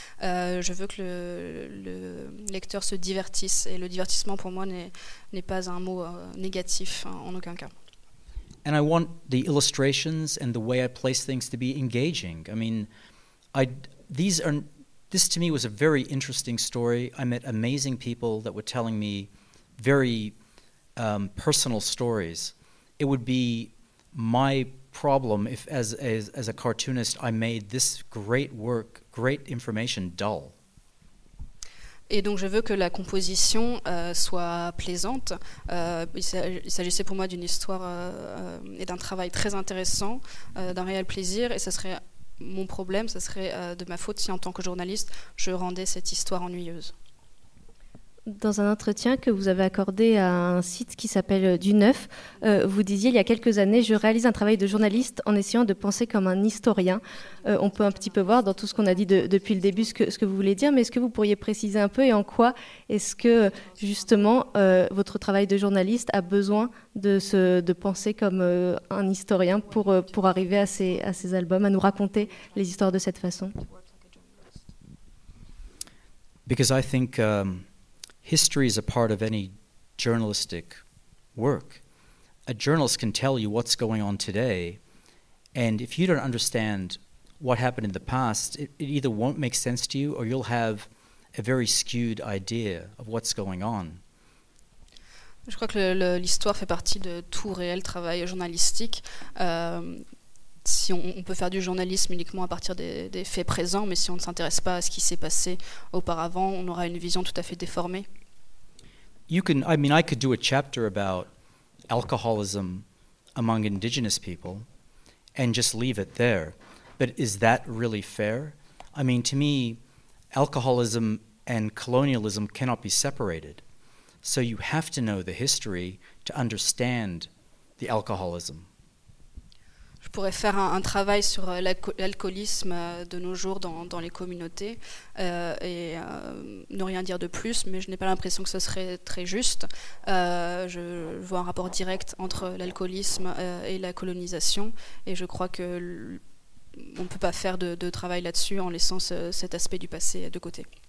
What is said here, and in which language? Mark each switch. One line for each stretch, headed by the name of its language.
French: Je veux que le lecteur se divertisse, et le divertissement pour moi n'est pas un mot négatif en aucun cas.
English: And I want the illustrations and the way I place things to be engaging. I mean, this to me was a very interesting story. I met amazing people that were telling me very personal stories. It would be my problem if as a cartoonist I made this great work, great information dull.
French: Et donc je veux que la composition soit plaisante. Il s'agissait pour moi d'une histoire et d'un travail très intéressant, d'un réel plaisir, et ça serait mon problème, ça serait de ma faute si en tant que journaliste je rendais cette histoire ennuyeuse. Dans un entretien que vous avez accordé à un site qui s'appelle Du Neuf, vous disiez il y a quelques années, je réalise un travail de journaliste en essayant de penser comme un historien. On peut un petit peu voir dans tout ce qu'on a dit depuis le début ce que vous voulez dire, mais est-ce que vous pourriez préciser un peu et en quoi est-ce que justement votre travail de journaliste a besoin de penser comme un historien pour arriver à ces albums, à nous raconter les histoires de cette façon?
English: Because I think history is a part of any journalistic work. A journalist can tell you what's going on today, and if you don't understand what happened in the past, it either won't make sense to you or you'll have a very skewed idea of what's going on.
French: Je crois que l'histoire fait partie de tout réel travail journalistique. Si on peut faire du journalisme uniquement à partir des faits présents, mais si on ne s'intéresse pas à ce qui s'est passé auparavant, on aura une vision tout à fait déformée.
English: You can, I mean, I could do a chapter about alcoholism among indigenous people and just leave it there. But is that really fair? I mean, to me, alcoholism and colonialism cannot be separated. So you have to know the history to understand the alcoholism.
French: Je pourrais faire un travail sur l'alcoolisme de nos jours dans les communautés et ne rien dire de plus, mais je n'ai pas l'impression que ce serait très juste. Je vois un rapport direct entre l'alcoolisme et la colonisation, et je crois qu'on ne peut pas faire de travail là-dessus en laissant cet aspect du passé de côté.